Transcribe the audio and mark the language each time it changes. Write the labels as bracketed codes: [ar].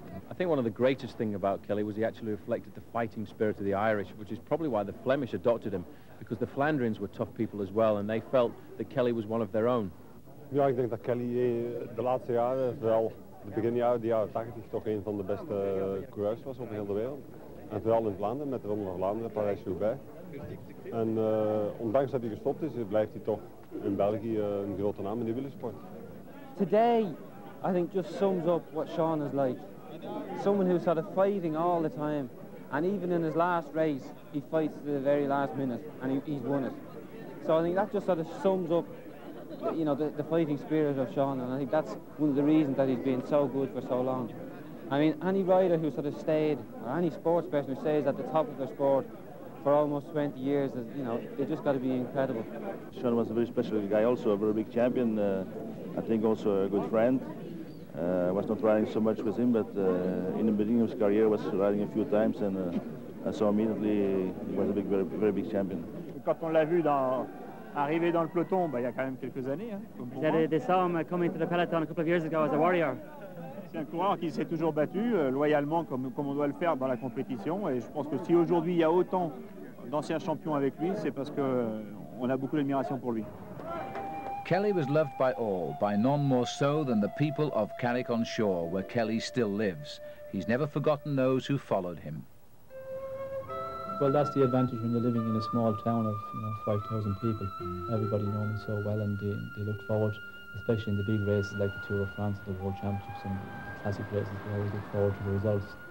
[en] I think one of the greatest thing about Kelly was he actually reflected the fighting spirit of the Irish, which is probably why the Flemish adopted him, because the Flandrians were tough people as well, and they felt that Kelly was one of their own. Yeah, I think that Kelly, the last year, well, the beginning of the year, the 80s, was one of the best coureurs was on the whole world, and [nl] vooral in Vlaanderen, met de Ronde van Vlaanderen, Parijs-Roubaix. En ondanks dat hij gestopt is, blijft hij toch in België een grote naam in de wielersport. [en] Today, I think, just sums up what Sean is like. Someone who's sort of fighting all the time, and even in his last race, he fights to the very last minute, and he's won it. So I think that just sort of sums up, you know, the fighting spirit of Sean, and I think that's one of the reasons that he's been so good for so long. I mean, any rider who sort of stayed, or any sports person who stays at the top of their sport for almost 20 years, you know, it just got to be incredible. Sean was a very special guy, also a very big champion. I think also a good friend. I was not riding so much with him, but in the beginning of his career, was riding a few times, and so immediately he was a big, very, very big champion. [fr] Quand on l'a vu arriver dans le peloton, il y a quand même quelques années. Hein, comme [en] they saw him coming to the peloton a couple of years ago as a warrior. [fr] C'est un coureur qui s'est toujours battu loyalement comme on doit le faire dans la compétition, et je pense que si aujourd'hui il y a autant d'anciens champions avec lui, c'est parce qu'on a beaucoup d'admiration pour lui. [en] Kelly was loved by all, by none more so than the people of Carrick-on-Shore, where Kelly still lives. He's never forgotten those who followed him. Well, that's the advantage when you're living in a small town of, you know, 5,000 people. Everybody knows him so well, and they look forward, especially in the big races like the Tour of France, the World Championships, and the classic races, they always look forward to the results.